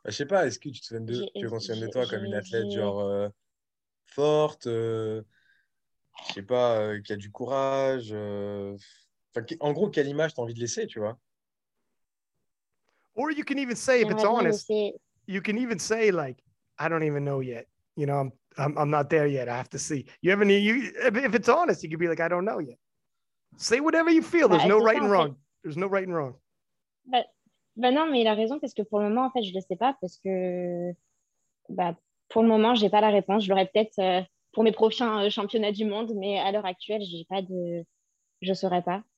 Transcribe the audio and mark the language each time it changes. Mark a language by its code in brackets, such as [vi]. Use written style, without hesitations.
[fr] Bah, je sais pas, est-ce que tu te souviens de tu conscientes de toi comme une athlète genre forte, je sais pas, qui a du courage, enfin en gros quelle image tu as envie de laisser, tu vois. [en] Or you can even say, if it's honest, you can even say like, I don't even know yet. You know, I'm not there yet. I have to see. You have any, you, if it's honest, you could be like, I don't know yet. Say whatever you feel. There's no right and wrong. There's no right and wrong. [fr] Bah non, mais il a raison parce que pour le moment, en fait, je ne sais pas parce que, bah, pour le moment, j'ai pas la réponse. Je l'aurais peut-être pour mes prochains championnats du monde, mais à l'heure actuelle, j'ai pas de, je saurais pas.